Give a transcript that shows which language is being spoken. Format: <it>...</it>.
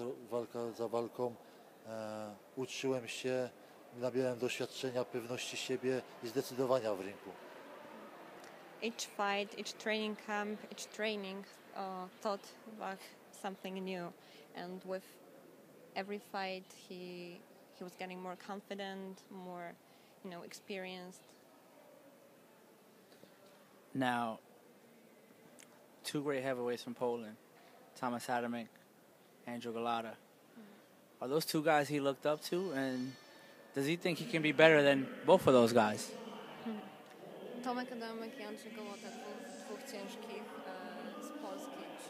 <pl>Walka za walką uczyłem się, nabierałem doświadczenia, pewności siebie i zdecydowania w ringu.</pl> <en>Each fight, each training camp, each training taught Vak something new. And with every fight he was getting more confident, more, you know, experienced. Now, two great heavyweights from Poland, Tomasz Adamek, Andrzej Golota. Are those two guys he looked up to, and does he think he can be better than both of those guys?</en> <pl>Tomek Adamek i Andrzej Golota, dwóch ciężkich z Polski.</pl>